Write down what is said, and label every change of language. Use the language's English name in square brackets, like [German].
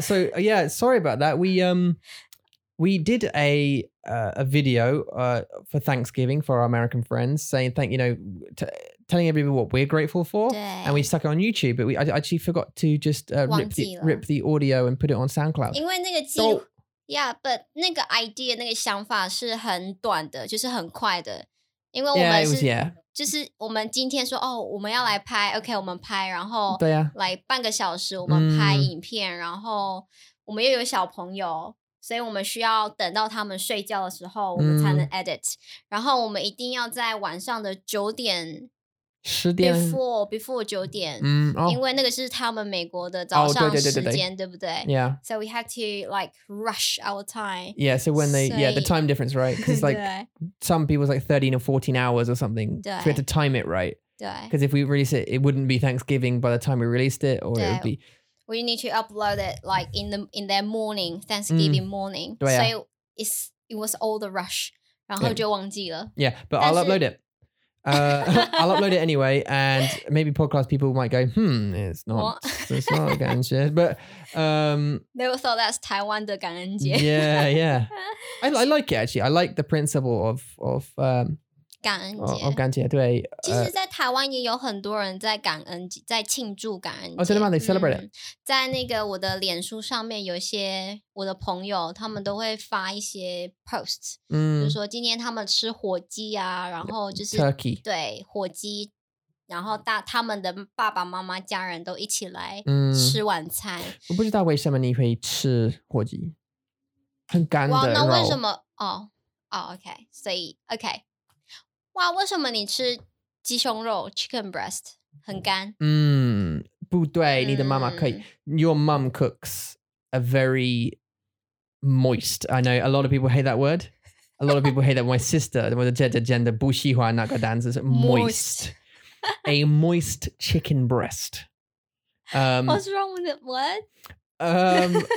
[English] So, yeah, sorry about that. We did a video for Thanksgiving for our American friends saying thank you know telling everybody what we're grateful for and we stuck it on YouTube but I actually forgot to just rip the audio and put it on SoundCloud [Chinese] 因为那个计 [English] yeah but [Chinese] 那个 idea 那个想法是很短的就是很快的因为我们是 [English] yeah, it was, yeah. [Chinese] 就是我们今天说哦我们要来拍 OK 我们拍然后对呀来半个小时我们拍影片、然后我们又有小朋友所以我们需要等到他们睡觉的时候我们才能 edit、然后我们一定要在晚上的九点十点 [English] before [Chinese] 九点、因为那个是他们美国的早上时间、对不对 [English] yeah so we had to like rush our time yeah so when they yeah the time difference right because like some people's like 13 or 14 hours or something so we had to time it right because if we release it it wouldn't be Thanksgiving by the time we released it or it would be We need to upload it like in their morning, Thanksgiving morning. Yeah. So it was all the rush. [Chinese] 然后就忘记了。 [English] Yeah, but I'll upload it. I'll upload it anyway. And maybe podcast people might go, it's not, it's not 感恩节. But, They would thought that's [Chinese] 台湾的感恩节. [English] Yeah, yeah. I like it actually. I like the principle of, [Chinese] 感恩节。感恩节，对。其实在台湾也有很多人在感恩节，在庆祝感恩节。哦，真的吗？ [English] They celebrate it. [Chinese] 在那个我的脸书上面有些我的朋友，他们都会发一些 post, 就是说今天他们吃火鸡啊，然后就是 [English] Turkey. [Chinese] 对，火鸡，然后他们的爸爸妈妈家人都一起来吃晚餐。我不知道为什么你会吃火鸡，很干的肉。哇，那为什么？OK, 所以 OK. 哇，为什么你吃鸡胸肉 [English] chicken breast [Chinese] 很干？不对，你的妈妈可以。 [English] Your mom cooks a very moist. I know a lot of people hate that word. A lot of people hate that. My sister, [Chinese] 我的姐姐真的不喜欢那个单词 [English] moist. A moist chicken breast. What's wrong with it? What?